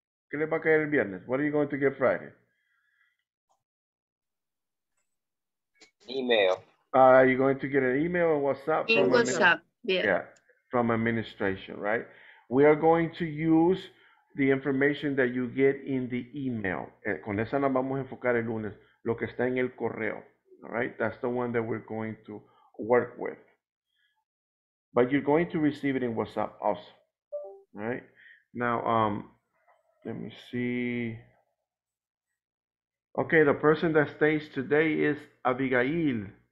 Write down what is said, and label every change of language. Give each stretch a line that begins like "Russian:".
Spanish: ¿Qué le va a caer el viernes?
English: What are you going to get Friday? Email. Are you going to get an email or WhatsApp? In WhatsApp, yeah. Yeah, from administration, right? We are going to use the information that you get in the email.
Spanish: Con esa nos vamos a enfocar el lunes, lo que está en el correo.
English: All right, that's the one that we're going to work with. But you're going to receive it in WhatsApp also. All right, now let me see. Okay, the person that stays today is Abigail.